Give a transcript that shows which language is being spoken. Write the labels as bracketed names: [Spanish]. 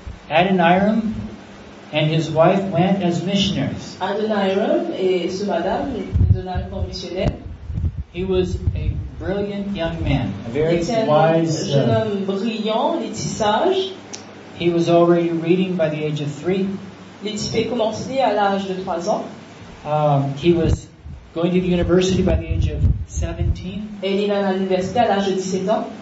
[English] Adoniram and his wife went as missionaries. [French] Adoniram et ce madame donnèrent comme missionnaire. [English] He was a brilliant young man, a very wise. [French] Jeune homme brillant, il était sage. [English] He was already reading by the age of 3. [French] Il avait commencé à l'âge de 3 ans. [English] He was going to the university by the age of 17. [French] Et il allait à l'université à l'âge de 17 ans.